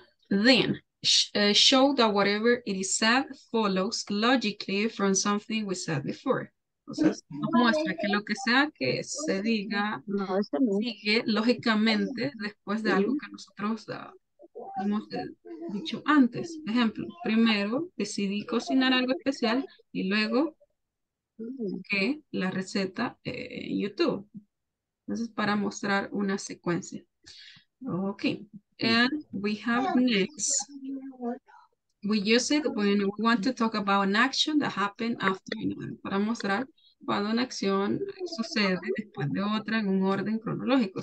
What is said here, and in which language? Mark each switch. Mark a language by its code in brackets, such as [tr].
[en] Then, show that whatever it is said follows logically from something we said before. [es] Entonces, muestra que lo que sea que se diga sigue lógicamente después de algo que nosotros hemos dicho antes. Ejemplo, primero decidí cocinar algo especial y luego busqué la receta en YouTube. Entonces, para mostrar una secuencia. Ok. [en] And we have next. We use it when we want to talk about an action that happened after another. [es] Para mostrar cuando una acción sucede después de otra en un orden cronológico.